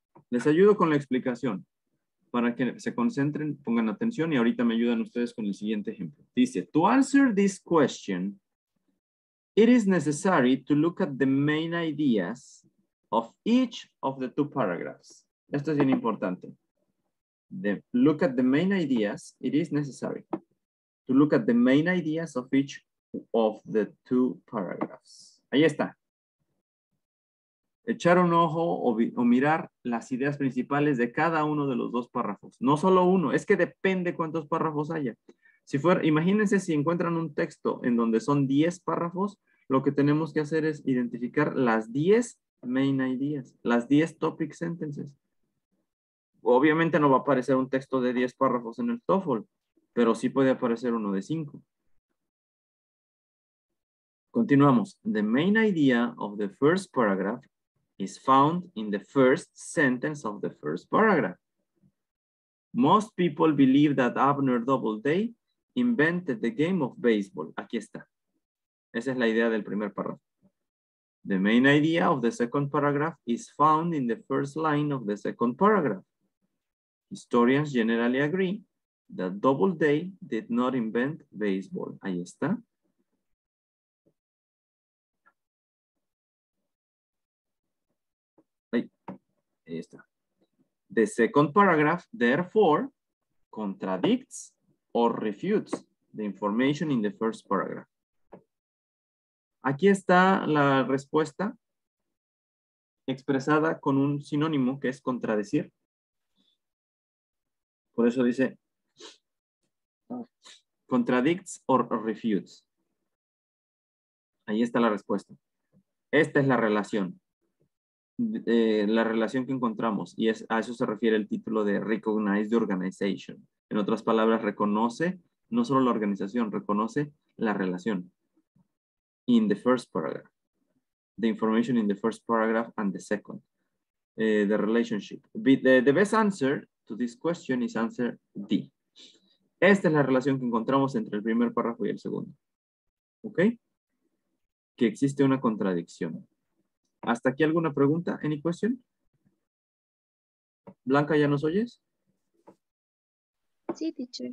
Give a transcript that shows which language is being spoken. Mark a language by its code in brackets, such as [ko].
[es] Les ayudo con la explicación para que se concentren, pongan atención y ahorita me ayudan ustedes con el siguiente ejemplo. [en] Dice, to answer this question, it is necessary to look at the main ideas of each of the two paragraphs. [es] Esto es bien importante. [en] Look at the main ideas, it is necessary to look at the main ideas of each of the two paragraphs. [es] Ahí está. Echar un ojo o mirar las ideas principales de cada uno de los dos párrafos. No solo uno, es que depende cuántos párrafos haya. Imagínense si encuentran un texto en donde son 10 párrafos, lo que tenemos que hacer es identificar las 10 main ideas, las 10 topic sentences. Obviamente no va a aparecer un texto de 10 párrafos en el TOEFL, pero sí puede aparecer uno de 5. Continuamos. [en] The main idea of the first paragraph is found in the first sentence of the first paragraph. Most people believe that Abner Doubleday invented the game of baseball. [es] Aquí está. Esa es la idea del primer párrafo. [en] The main idea of the second paragraph is found in the first line of the second paragraph. Historians generally agree that Doubleday did not invent baseball. [es] Ahí está. Ahí está. [en] The second paragraph, therefore, contradicts or refutes the information in the first paragraph. [es] Aquí está la respuesta expresada con un sinónimo que es contradecir. Por eso dice [en] contradicts or refutes. [es] Ahí está la respuesta. Esta es la relación. La relación que encontramos, y es, a eso se refiere el título de Recognize the Organization. En otras palabras, reconoce no solo la organización, reconoce la relación. [en] In the first paragraph. The information in the first paragraph and the second. The relationship. The best answer to this question is answer D. [es] Esta es la relación que encontramos entre el primer párrafo y el segundo. ¿Ok? Que existe una contradicción. ¿Hasta aquí alguna pregunta? [en] ¿Any question? [es] ¿Blanca, ya nos oyes? Sí, teacher.